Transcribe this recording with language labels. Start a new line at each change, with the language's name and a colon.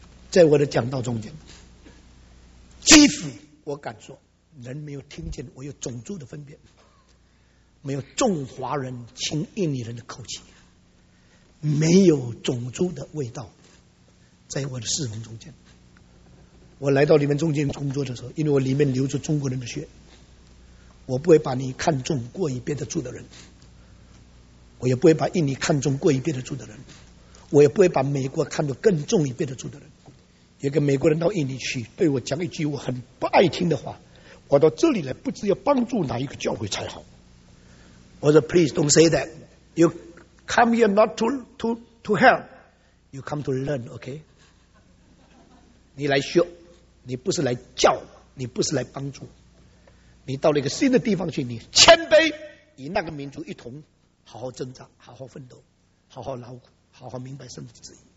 Chinese: 在我的讲道中间，即使我敢说人没有听见我有种族的分别，没有中华人亲印尼人的口气，没有种族的味道，在我的侍奉中间，我来到你们中间工作的时候，因为我里面流着中国人的血，我不会把你看中过于别的住的人，我也不会把印尼看中过于别的住的人，我也不会把美国看得更重于别的住的人。有个美国人到印尼去对我讲一句我很不爱听的话，我到这里来不知要帮助哪一个教会才好。我说
English: Please don't say that. You come here not to help. You come to learn, okay?
Chinese: 你来学，你不是来教，你不是来帮助，你到了一个新的地方去，你谦卑与那个民族一同好好挣扎，好好奋斗，好好劳苦，好好明白圣旨意。